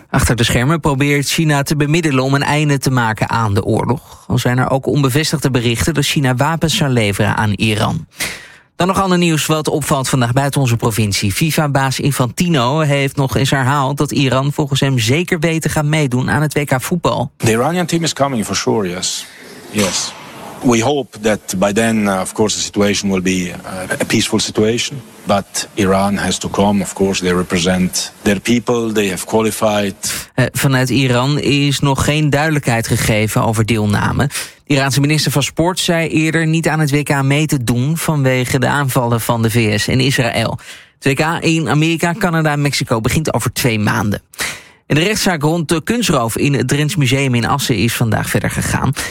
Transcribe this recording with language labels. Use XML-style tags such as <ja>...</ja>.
<nl>Achter de schermen probeert China te bemiddelen om een einde te maken aan de oorlog. Al zijn er ook onbevestigde berichten dat China wapens zou leveren aan Iran. Dan nog ander nieuws wat opvalt vandaag buiten onze provincie. FIFA-baas Infantino heeft nog eens herhaald dat Iran volgens hem zeker weet te gaan meedoen aan het WK voetbal.</nl> <en>The Iranian team is coming for sure, yes. Yes. We hope that by then, of course, the situation will be a peaceful situation. But Iran has to come, of course, they represent their people, they have qualified.</en> <nl>Vanuit Iran is nog geen duidelijkheid gegeven over deelname. De Iraanse minister van Sport zei eerder niet aan het WK mee te doen vanwege de aanvallen van de VS en Israël. Het WK in Amerika, Canada en Mexico begint over 2 maanden. En de rechtszaak rond de kunstroof in het Drents Museum in Assen is vandaag verder gegaan.</nl>